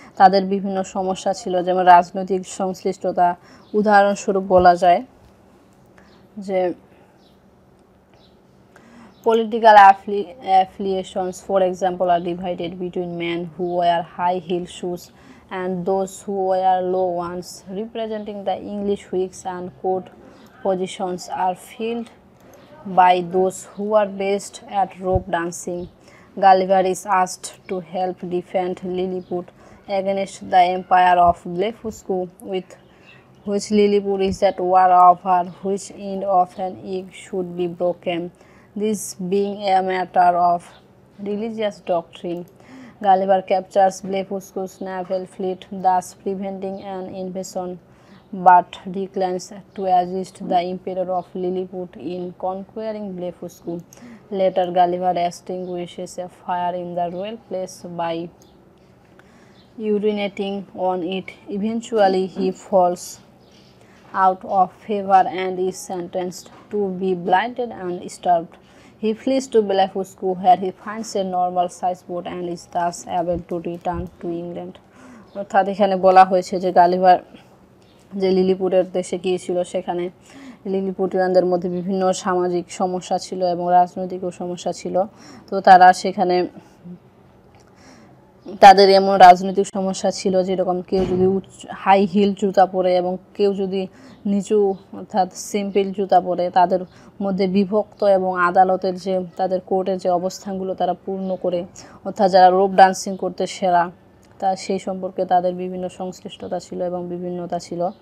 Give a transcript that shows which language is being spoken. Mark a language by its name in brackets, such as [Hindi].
[Bangla] তাদের বিভিন্ন সমস্যা ছিল, যেমন রাজনৈতিক সংশ্লিষ্টতা, উদাহরণস্বরূপ বলা যায় যে [English] Political affiliations for example are divided between man who wear high heel shoes and those who wear low ones, representing the English Whigs and court positions are filled by those who are best at rope dancing. Gulliver is asked to help defend Lilliput against the empire of Blefuscu, with which Lilliput is at war, over which end of an egg should be broken. This being a matter of religious doctrine, Gulliver captures Blefuscu's naval fleet, thus preventing an invasion, but declines to assist the Emperor of Lilliput in conquering Blefuscu. Later, Gulliver extinguishes a fire in the royal place by urinating on it. Eventually, he falls out of favor and is sentenced to be blinded and starved. He flees to Blefuscu, where he finds a normal size boat and is thus able to return to England. [Bangla] অর্থাৎ এখানে বলা হয়েছে যে Gulliver যে লিলিপুটের দেশে গিয়েছিল সেখানে লিলিপুটিয়ানদের মধ্যে বিভিন্ন সামাজিক সমস্যা ছিল এবং রাজনৈতিকও সমস্যা ছিল। তো তারা সেখানে তাদের এমন রাজনৈতিক সমস্যা ছিল যেরকম কেউ যদি হাই হিল জুতা পরে এবং কেউ যদি নিচু অর্থাৎ সিম্পল জুতা পরে, তাদের মধ্যে বিভক্ত এবং আদালতের যে তাদের কোর্টের যে অবস্থানগুলো তারা পূর্ণ করে, অর্থাৎ যারা রোপ ডান্সিং করতে সেরা, তা সেই সম্পর্কে তাদের বিভিন্ন সংশ্লিষ্টতা ছিল এবং বিভিন্নতা ছিল।